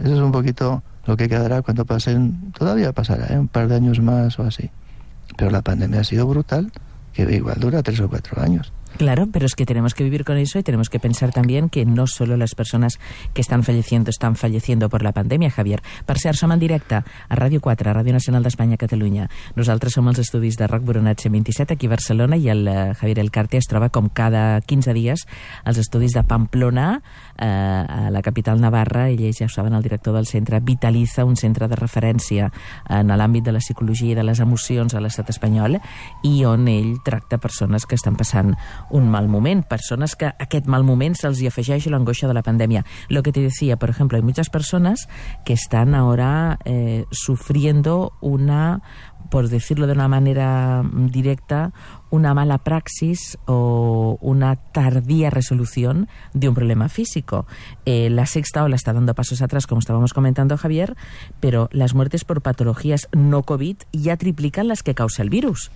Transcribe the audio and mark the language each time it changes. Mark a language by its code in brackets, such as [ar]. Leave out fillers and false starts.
[es] Eso es un poquito lo que quedará cuando pasen, todavía pasará, ¿eh?, un par de años más o así. Pero la pandemia ha sido brutal, que igual dura 3 o 4 años. Claro, pero es que tenemos que vivir con eso y tenemos que pensar también que no solo las personas que están falleciendo por la pandemia, Javier. [ca] Per cert, som en directe a Ràdio 4, a Ràdio Nacional d'Espanya, Catalunya. Nosaltres som els estudis de Roc Boronat 127 aquí a Barcelona i el Javier Elcarte es troba com cada 15 dies als estudis de Pamplona, a la capital Navarra. Ell és, ja ho saben, el director del centre Vitaliza, un centre de referència en l'àmbit de la psicologia i de les emocions a l'estat espanyol, i on ell tracta persones que estan passant un mal moment, persones que aquest mal moment se'ls hi afegeix l'angoixa de la pandèmia. [es] Lo que te decía, por ejemplo, hay muchas personas que están ahora sufriendo una, por decirlo de una manera directa, una mala praxis o una tardía resolución de un problema físico. La Sexta ola está dando pasos atrás, como estábamos comentando, Javier, pero las muertes por patologías no COVID ya triplican las que causa el virus.